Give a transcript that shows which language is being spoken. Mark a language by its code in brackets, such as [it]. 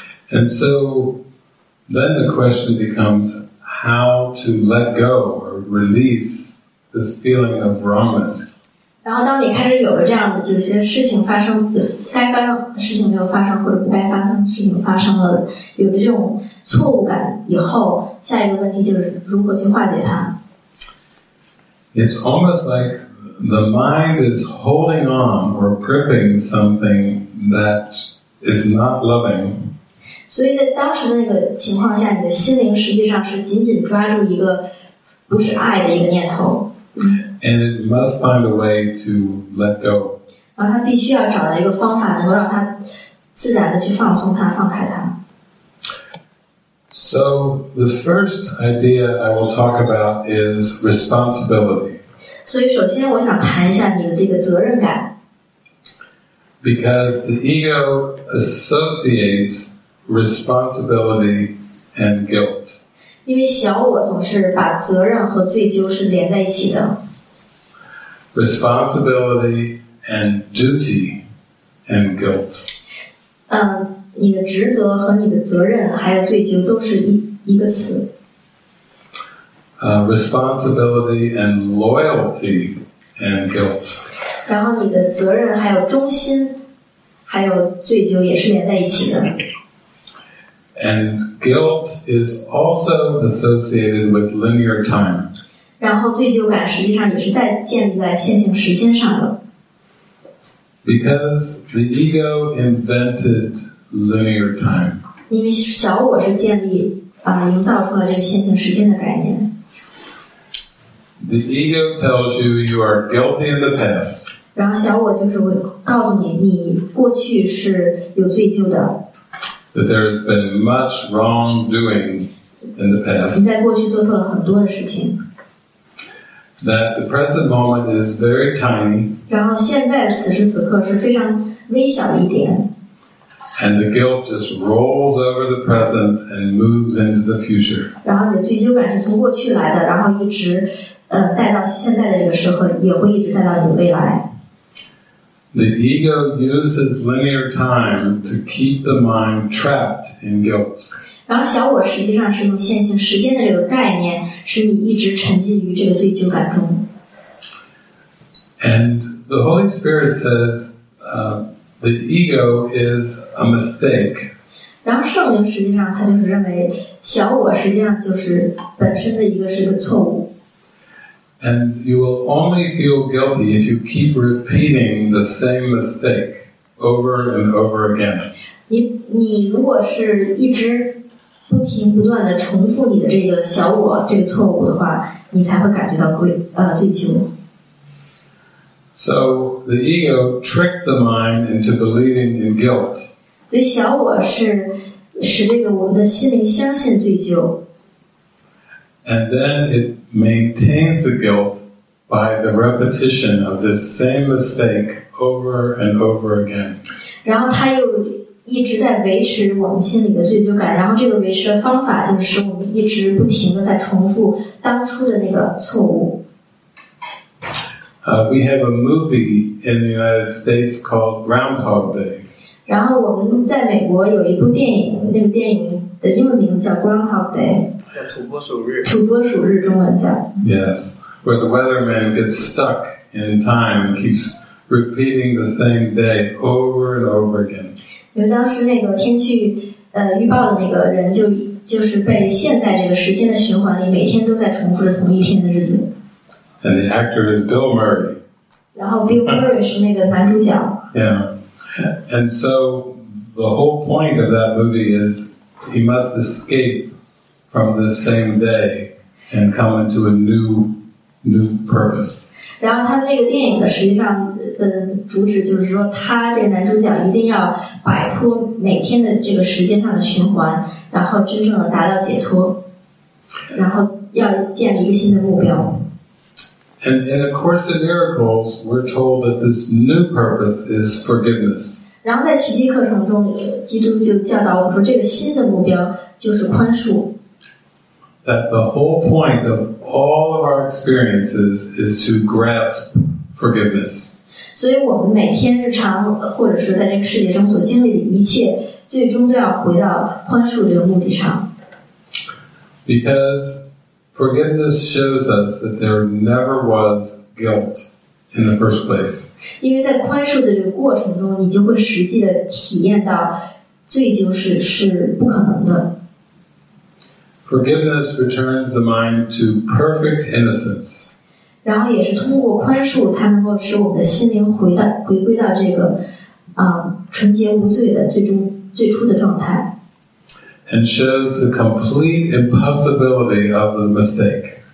[en] And so then the question becomes how to let go or release this feeling of wrongness. [zh] 然后当你开始有了这样的，有些事情发生，该发生的事情没有发生，或者不该发生的事情发生了，有了这种错误感以后，下一个问题就是如何去化解它。 [en] It's almost like. The mind is holding on or gripping something that is not loving. [zh] 所以在当时的那个情况下，你的心灵实际上是紧紧抓住一个不是爱的一个念头。 [en] And it must find a way to let go. [zh] 然后他必须要找到一个方法，能够让他自然的去放松它，放开它。 [en] So the first idea I will talk about is responsibility. [zh] 所以首先我想谈一下你的这个责任感。 [en] Because the ego associates responsibility and guilt. [zh] 因为小我总是把责任和罪疚是连在一起的。 [en] Responsibility and duty and guilt. [zh] 你的职责和你的责任还有罪疚都是一个词。 [en] Responsibility and loyalty and guilt. [zh] 然后你的责任还有忠心，还有罪疚也是连在一起的。 [en] And guilt is also associated with linear time. [zh] 然后罪疚感实际上也是在建立在线性时间上的。 [en] Because the ego invented linear time. [zh] 因为小我是建立营造出了这个线性时间的概念。 [en] The ego tells you you are guilty in the past. [zh] 然后小我就是会告诉你，你过去是有罪疚的。 [en] That there has been much wrongdoing in the past. [zh] 你在过去做错了很多的事情。 [en] That the present moment is very tiny. [zh] 然后现在此时此刻是非常微小的一点。 [en] And the guilt just rolls over the present and moves into the future. [zh] 然后你的罪疚感是从过去来的，然后一直。带到现在的这个时候，也会一直带到你的未来。 [en] The ego uses linear time to keep the mind trapped in guilt. [zh] 然后小我实际上是用线性时间的这个概念，使你一直沉浸于这个罪疚感中。 [en] And the Holy Spirit says, the ego is a mistake. [zh] 然后圣灵实际上他就是认为，小我实际上就是本身的一个错误。 [en] And you will only feel guilty if you keep repeating the same mistake over and over again. [zh] 你如果是一直不停不断的重复你的这个小我这个错误的话，你才会感觉到罪疚。 [en] So the ego tricked the mind into believing in guilt. [zh] 所以小我是使这个我们的心灵相信罪疚。 [en] And then it maintains the guilt by the repetition of this same mistake over and over again. [zh] 然后他又一直在维持我们心里的罪疚感，然后这个维持的方法就是我们一直不停的在重复当初的那个错误。 [en] We have a movie in the United States called Groundhog Day. [zh] 然后我们在美国有一部电影，那个电影的英文名字叫 Groundhog Day。土拨鼠日。土拨鼠日，中文叫。 [en] Yes, where the weatherman gets stuck in time, keeps repeating the same day over and over again. [zh] 因为当时那个天气预报的那个人就是被陷在这个时间的循环里，每天都在重复着同一天的日子。 [en] And the actor is Bill Murray. [zh] 然后 Bill Murray 是那个男主角。 [en] Yeah. And so the whole point of that movie is he must escape from the same day and come into a new purpose. [zh] 然后他那个电影的实际上的主旨就是说，他这个男主角一定要摆脱每天的这个时间上的循环，然后真正的达到解脱，然后要建立一个新的目标。 [en] And in A Course in Miracles, we're told that this new purpose is forgiveness. [zh] 然后在奇迹课程中，基督就教导我们说，这个新的目标就是宽恕。 [en] That the whole point of all of our experiences is to grasp forgiveness. [zh] 所以我们每天日常或者是在这个世界中所经历的一切，最终都要回到宽恕这个目的上。 [en] Because forgiveness shows us that there never was guilt in the first place. [zh] 因为在宽恕的这个过程中，你就会实际的体验到罪疚是不可能的。 [en] Forgiveness returns the mind to perfect innocence. [zh] 然后也是通过宽恕，它能够使我们的心灵回归到这个纯洁无罪的最初的状态。 [en] And shows the complete impossibility of the mistake.